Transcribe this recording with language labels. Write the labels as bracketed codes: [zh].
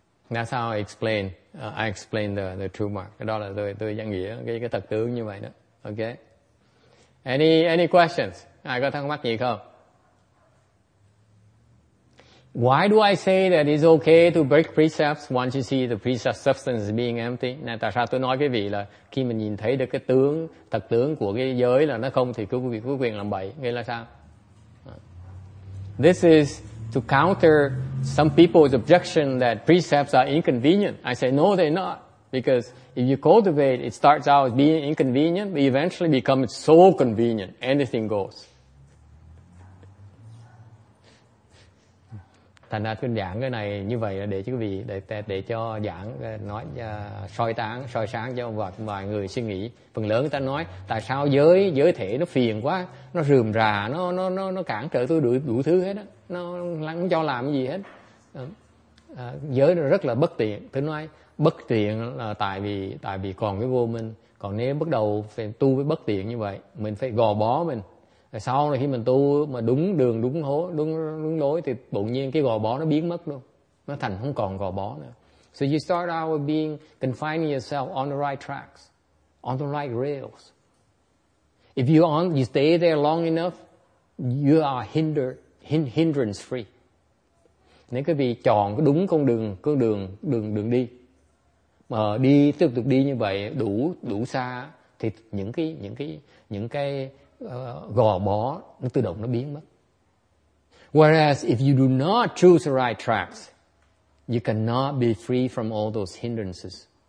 [en] That's how I explain the true mark. [vi] Cái đó là tôi giải nghĩa cái thật tướng như vậy đó. [en] Okay. Any questions? [vi] Ai có thắc mắc gì không? [en] Why do I say that it's okay to break precepts once you see the precept substance being empty? [vi] Nè, tại sao tôi nói với quý vị là khi mình nhìn thấy được cái tướng, thật tướng của cái giới là nó không thì quý vị có quyền làm bậy. Nghĩa là sao? [en] This is to counter some people's objection that precepts are inconvenient. I say, no, they're not. Because if you cultivate, it starts out as being inconvenient, but eventually becomes so convenient, anything goes. [vi] Thành ra tôi giảng cái này như vậy để cho quý vị để cho giảng nói soi sáng cho vài người suy nghĩ. Phần lớn người ta nói tại sao giới thể nó phiền quá, nó rườm rà, nó cản trở tôi đủ thứ hết á, nó không cho làm cái gì hết. Giới nó rất là bất tiện. Tôi nói bất tiện là tại vì còn cái vô minh. Còn nếu bắt đầu phải tu với bất tiện như vậy, mình phải gò bó mình. Rồi sau này khi mình tu mà đúng đường, đúng hố, đúng lối thì tự nhiên cái gò bó nó biến mất luôn. Nó thành không còn gò bó nữa. [en] So you start out with being confining yourself on the right tracks, on the right rails. If you stay there long enough, you are hindrance free. [vi] Nếu quý vị chọn cái đúng con đường đi. Mà đi tiếp tục đi như vậy đủ xa thì những cái gò bó nó tự động nó biến mất. [en] Whereas if you do not choose the right tracks, you cannot be free from all those hindrances.